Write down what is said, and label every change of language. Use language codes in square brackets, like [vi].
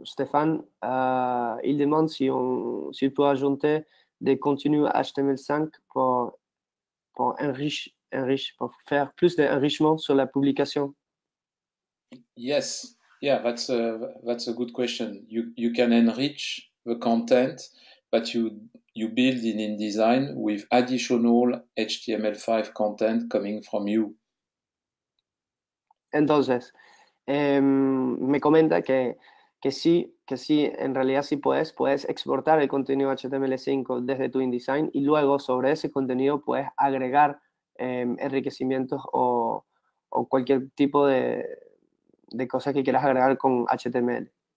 [fr] Stéphane, il demande si peut ajouter des contenus HTML5 pour pour faire plus d'enrichissement sur la publication. [en] Yes, yeah, that's a good question. You can enrich the content that you build in InDesign with additional HTML5 content coming from you. [es] Entonces, me comenta que sí, en realidad sí puedes exportar el contenido HTML5 desde tu InDesign y luego sobre ese contenido puedes agregar enriquecimientos o cualquier tipo de cosas que quieras agregar con HTML.